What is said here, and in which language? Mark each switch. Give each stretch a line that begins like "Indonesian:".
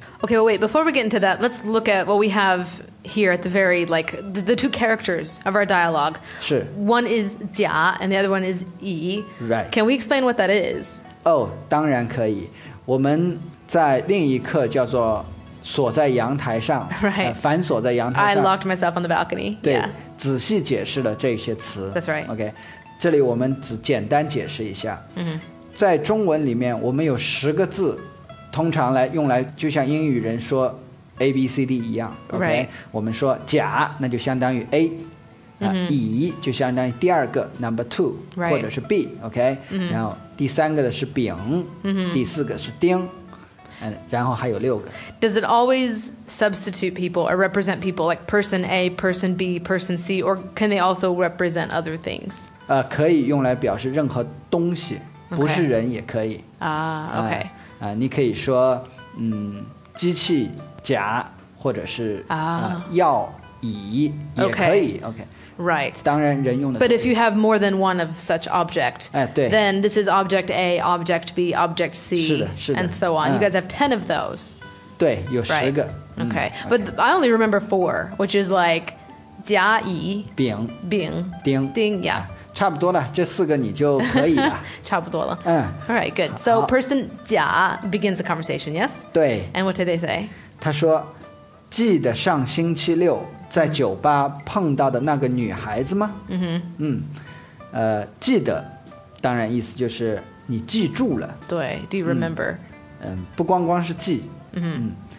English: Okay, well, wait, before we get into that, let's look at what we have here at the very, like, the two characters of our dialogue. Sure. One is Jia, and the other one is Yi. Right. Can we explain what that is?
Chinese: Oh, 当然可以。我们在另一课叫做锁在阳台上。
English: Right.
Chinese: 反锁在阳台上。
English: I locked myself on the balcony.
Chinese: 对、
English: yeah.
Chinese: 仔细解释了这些词。
English: That's right. Okay.
Chinese: 这里我们只简单解释一下。嗯、mm-hmm.。在中文里面我们有十个字通常来用来就像英语人说 ABCD 一样、okay?
English: right.
Chinese: 我们说甲那就相当于 A、 mm-hmm. 乙就相当于第二个
English: number two、 right.
Chinese: 或者是 B、okay? mm-hmm. 然后第三个的是丙、 mm-hmm. 第四个是丁然后还有六个
English: Does it always substitute people or represent people like person A, person B, person C or can they also represent other things?、
Chinese: 可以用来表示任何东西
English: Okay.
Chinese: 不是人也可以啊、okay. 你可以说机器甲或者是、药乙也可以 okay.
English: OK Right
Chinese: 当然人用的
English: But if you have more than one of such object、
Chinese: 对
English: Then this is object A, object B, object C
Chinese: 是的是的
English: And so on、You guys have 10 of those
Chinese: 对有十个、
English: right. okay. But I only remember four Which is like 甲乙
Chinese: 丙丙丁丁 Yeah、差不多了这四个你就可以了差不多了、嗯、
English: Alright, good So person 甲 begins the conversation, yes?
Chinese: 对
English: And what did they say?
Chinese: 他说记得上星期六在酒吧碰到的那个女孩子吗、 mm-hmm. 嗯、记得当然意思就是你记住了
English: 对 Do you remember?
Chinese: 不光光是记、 mm-hmm.